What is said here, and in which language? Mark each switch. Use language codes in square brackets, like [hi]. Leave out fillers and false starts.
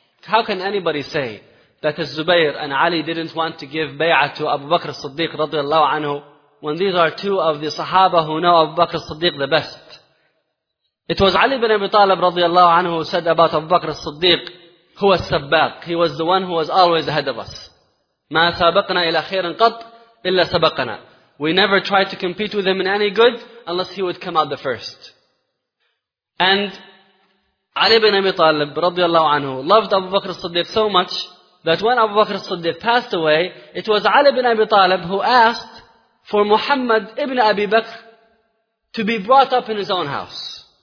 [en] How can anybody say that Zubayr and Ali didn't want to give bay'ah to Abu Bakr as-Siddiq radiallahu anhu, when these are two of the Sahaba who know Abu Bakr as-Siddiq the best? It was Ali ibn Abi Talib radiallahu anhu who said about Abu Bakr as-Siddiq, huwa as-sabbaq, he was the one who was always ahead of us. [ar] ما سابقنا إلى خير قط إلا سبقنا. [en] We never tried to compete with him in any good unless he would come out the first. And Ali ibn Abi Talib radiallahu anhu loved Abu Bakr as-Siddiq so much that when Abu Bakr as-Siddiq passed away, it was Ali ibn Abi Talib who asked for Muhammad ibn Abi Bakr to be brought up in his own house.